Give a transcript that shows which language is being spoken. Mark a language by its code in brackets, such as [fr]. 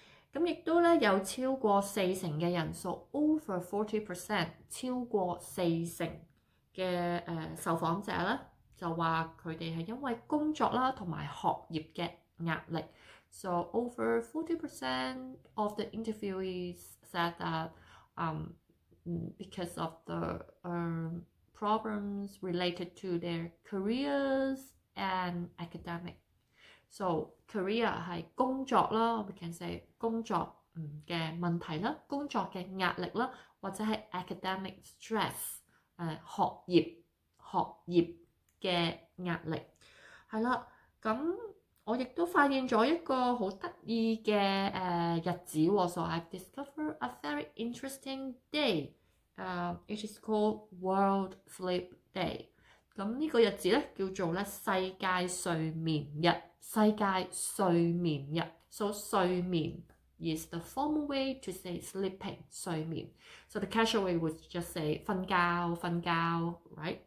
[yue] 咁亦都咧有超過四成嘅人數 ， [en] over 40%， [yue] 超過四成嘅受訪者咧就話佢哋係因為工作啦同埋學業嘅壓力。 [en] So over 40% of the interviewees said that because of the problems related to their careers and academic. [yue] So career 係工作啦 ， [en] we can say [yue] 工作嘅問題啦，工作嘅壓力啦，或者係 [en] academic stress， [yue] 學業嘅壓力，係啦。咁我亦都發現咗一個好得意嘅日子喎 ， [en] so I've discovered a very interesting day。 It is called World Sleep Day. [yue] 咁呢個日子咧叫做咧世界睡眠日，世界睡眠日。 [en] So 睡眠 is the formal way to say sleeping 睡眠。 So the casual way would just say 瞓覺 right?